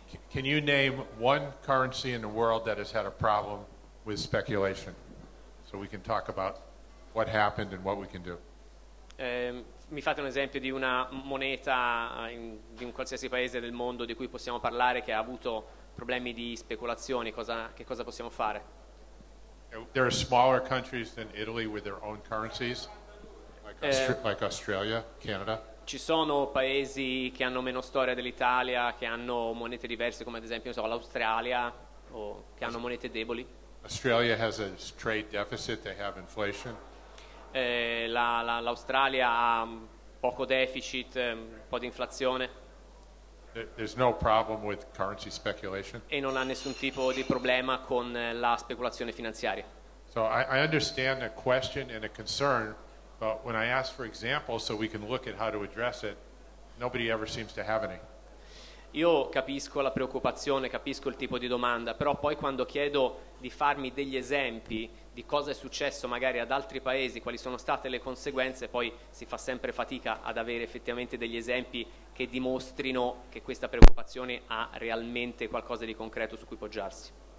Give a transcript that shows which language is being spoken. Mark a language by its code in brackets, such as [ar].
[en] Can you name one currency in the world that has had a problem with speculation? So we can talk about what happened and what we can do. [it] Mi fate un esempio di una moneta di un qualsiasi paese del mondo di cui possiamo parlare che ha avuto problemi di speculazione, che cosa possiamo fare? [en] There are smaller countries than Italy with their own currencies, like Australia, Canada. [it] Ci sono paesi che hanno meno storia dell'Italia, che hanno monete diverse, come ad esempio l'Australia, o che hanno monete deboli. [en] Australia has a trade deficit, they have inflation. [it] L'Australia ha poco deficit, un po' di inflazione. [en] There's no problem with currency speculation. [it] E non ha nessun tipo di problema con la speculazione finanziaria. [en] So I understand a question and a concern, but when I ask for examples so we can look at how to address it, nobody ever seems to have any. [it] Io capisco la preoccupazione, capisco il tipo di domanda, però poi quando chiedo di farmi degli esempi di cosa è successo magari ad altri paesi, quali sono state le conseguenze, poi si fa sempre fatica ad avere effettivamente degli esempi che dimostrino che questa preoccupazione ha realmente qualcosa di concreto su cui poggiarsi.